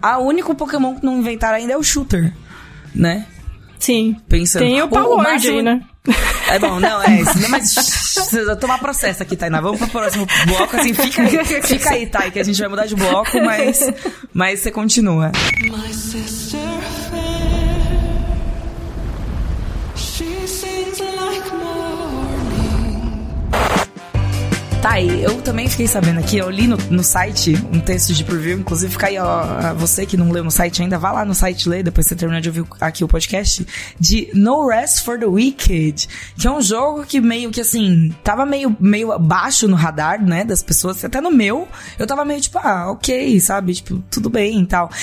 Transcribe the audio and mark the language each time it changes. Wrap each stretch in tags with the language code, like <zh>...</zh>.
<pt>O único Pokémon que não inventaram ainda é o Shooter, né? Sim. Pensando. Tem o Power Word aí, né? É bom, não, é isso. Não, mas precisa tomar processo aqui, Tainá. Vamos pro próximo bloco, assim. Fica aí, Tainá, que a gente vai mudar de bloco, mas você continua.</pt> <en>My sister Fair, she sings like morning.</en> <pt>Tá aí, eu também fiquei sabendo aqui, eu li no site um texto de preview, inclusive fica aí, ó, você que não leu no site ainda, vá lá no site ler, depois você terminar de ouvir aqui o podcast, de No Rest for the Wicked, que é um jogo que meio que assim, tava meio baixo no radar, né, das pessoas, até no meu, eu tava meio tipo, ah, ok, sabe, tipo, tudo bem e tal.</pt>